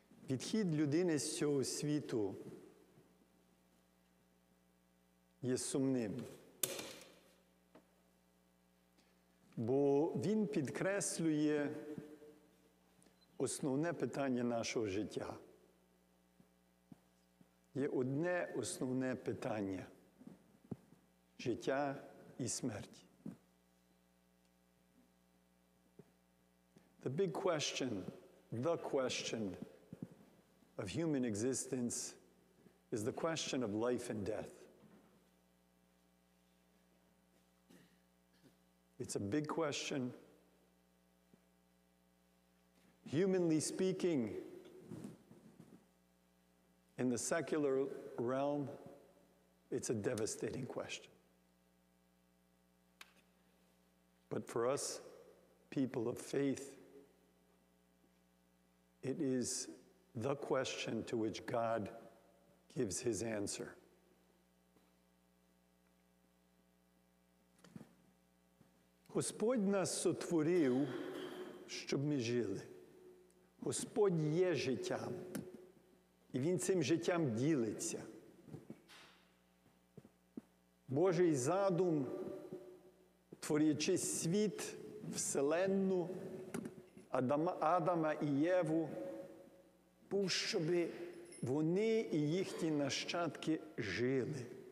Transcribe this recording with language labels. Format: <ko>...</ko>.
<uk>Відхід людини з цього світу є сумним, бо він підкреслює основне питання нашого життя. Є одне основне питання – життя і смерть.</uk> <en>The big question, the question of human existence is the question of life and death. It's a big question. Humanly speaking, in the secular realm, it's a devastating question. But for us, people of faith, it is the question to which God gives his answer.</en> <uk>Господь нас сотворив, щоб ми жили. Господь є життям, і Він цим життям ділиться. Божий задум, творячи світ, Вселенну, Адама і Єву, був, щоб вони і їхні нащадки жили.</uk>